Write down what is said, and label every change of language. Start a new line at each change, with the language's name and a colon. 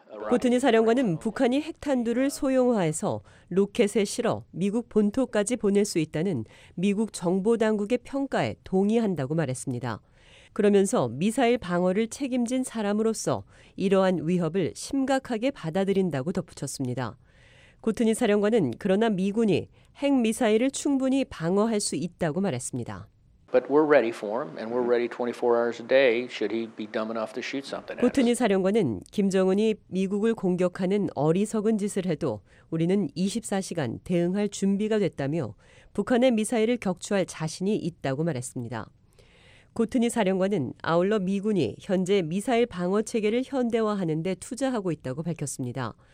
Korean: 코튼이 사령관은 북한이 핵탄두를 소형화해서 로켓에 실어 미국 본토까지 보낼 수 있다는 미국 정보당국의 평가에 동의한다고 말했습니다. 그러면서 미사일 방어를 책임진 사람으로서 이러한 위협을 심각하게 받아들인다고 덧붙였습니다. 코튼이 사령관은 그러나 미군이 핵미사일을 충분히 방어할 수 있다고 말했습니다.
English: But we're ready for him, and we're ready 24 hours a day. Should he be dumb enough to shoot something?
Korean: 코튼이 사령관은 김정은이 미국을 공격하는 어리석은 짓을 해도 우리는 24시간 대응할 준비가 됐다며 북한의 미사일을 격추할 자신이 있다고 말했습니다. 코튼이 사령관은 아울러 미군이 현재 미사일 방어 체계를 현대화하는데 투자하고 있다고 밝혔습니다.